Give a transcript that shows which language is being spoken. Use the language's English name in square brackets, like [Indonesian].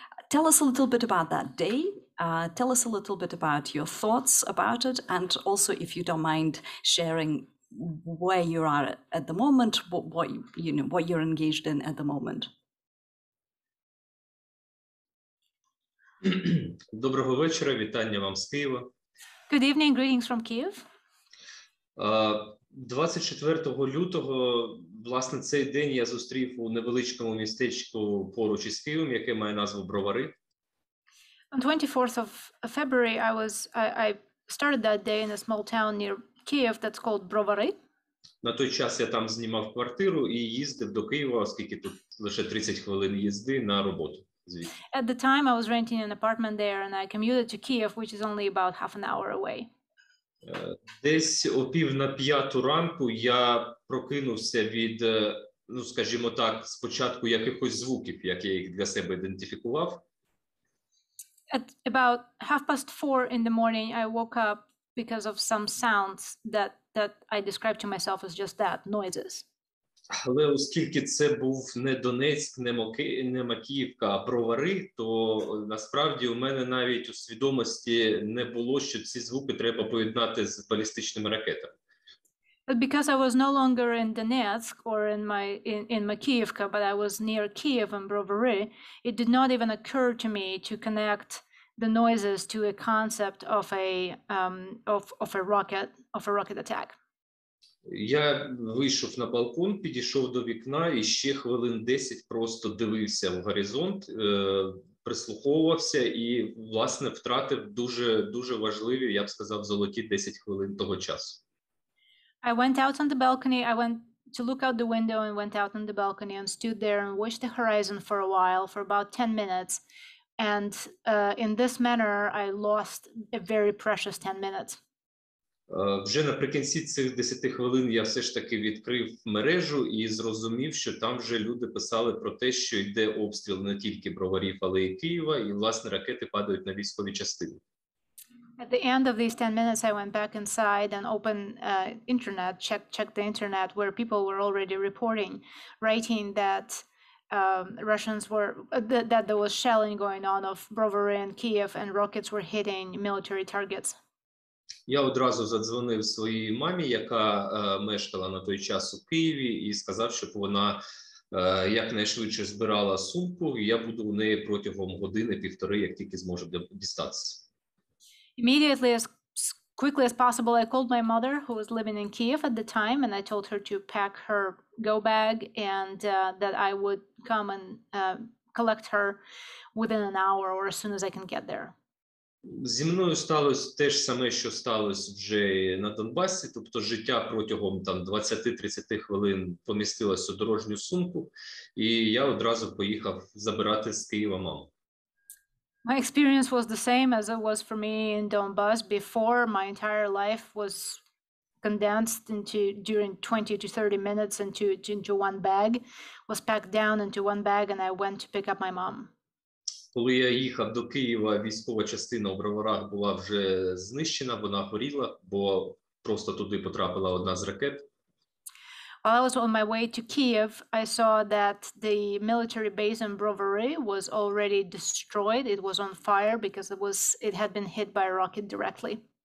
[English] Tell us a little bit about that day. Tell us a little bit about your thoughts about it. And also, if you don't mind sharing where you are at the moment, what you're engaged in at the moment. [Ukrainian] Доброго вечора, вітання вам з Києва. [English] Good evening, greetings from Kyiv. [Ukrainian] 24 лютого, власне, цей день я зустрів у невеличкому містечку поруч із Києвом, яке має назву Бровари. [English] On 24th of February, I started that day in a small town near Kyiv that's called Бровари. [Ukrainian] На той час я там знімав квартиру і їздив до Києва, оскільки тут лише 30 хвилин їзди на роботу. [English] At the time, I was renting an apartment there, and I commuted to Kyiv, which is only about half an hour away. [Ukrainian] Десь о пів на п'яту ранку я прокинувся від, ну скажімо так, спочатку якихось звуків, які я для себе ідентифікував. [English] At about half past four in the morning, I woke up because of some sounds that I described to myself as just that, noises. [Ukrainian] Але оскільки це був не Донецьк, не Макіївка, а Бровари, то насправді у мене навіть у свідомості не було, що ці звуки треба поєднати з балістичними ракетами. [English] But because I was no longer in Donetsk or in Макіївка, but I was near Kyiv and Brovary, it did not even occur to me to connect the noises to a concept of a rocket attack. [Ukrainian] Я вийшов на балкон, підійшов до вікна і ще хвилин 10 просто дивився в горизонт, прислуховувався і, власне, втратив дуже, дуже важливі, я б сказав, золоті 10 хвилин того часу. [English] I went out on the balcony, I went to look out the window and went out on the balcony and stood there and watched the horizon for a while, for about 10 minutes. And in this manner I lost a very precious 10 minutes. [Ukrainian] Вже наприкінці цих 10 хвилин я все ж таки відкрив мережу і зрозумів, що там вже люди писали про те, що йде обстріл не тільки Броварів, але й Києва, і власне ракети падають на військові частини. [English] At the end of these 10 minutes I went back inside and opened internet, checked the internet, where people were already reporting, writing that Russians were that there was shelling going on of Brovary and Kyiv and rockets were hitting military targets. [Ukrainian] Я одразу задзвонив своїй мамі, яка мешкала на той час у Києві, і сказав, щоб вона якнайшвидше збирала сумку, і я буду у неї протягом години-півтори, як тільки зможу дістатися. [English] Immediately, as quickly as possible, I called my mother, who was living in Kyiv at the time, and I told her to pack her go bag and that I would come and collect her within an hour or as soon as I can get there. [Ukrainian] Зі мною сталося те ж саме, що сталося вже на Донбасі, тобто життя протягом там 20-30 хвилин помістилося у дорожню сумку, і я одразу поїхав забирати з Києва маму. [English] My experience was the same as it was for me in Donbas before. My entire life was condensed into during 20 to 30 minutes into one bag, was packed down into one bag, and I went to pick up my mom. [Ukrainian] Коли я їхав до Києва, військова частина у Броварах була вже знищена, вона горіла, бо просто туди потрапила одна з ракет. [English] While I was on my way to Kyiv, I saw that the military base in Brovary was already destroyed. It was on fire because it had been hit by a rocket directly.